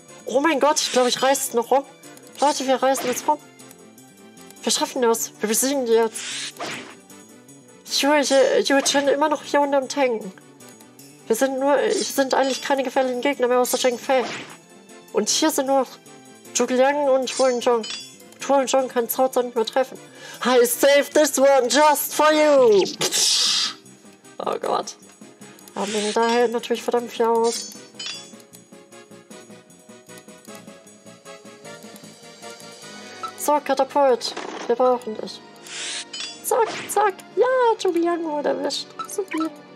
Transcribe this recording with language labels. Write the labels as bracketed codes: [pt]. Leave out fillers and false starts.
[de] Oh mein Gott, ich glaube, ich reiß es noch rum. Leute, wir reißen jetzt rum. Wir schaffen das. Wir besiegen die jetzt. Yue Chen immer noch hier unterm Tank. Wir sind eigentlich keine gefährlichen Gegner mehr aus der Zhang Fei. Und hier sind nur Zhuge Liang und Huan Zhong. Huan Zhong kann Cao Cao nicht mehr treffen. [en] I saved this one just for you. [de] Oh Gott. Aber da hält natürlich verdammt viel aus. So, Katapult. Wir brauchen dich. Zack, zack. Ja, Zhuge Liang wurde erwischt. Super.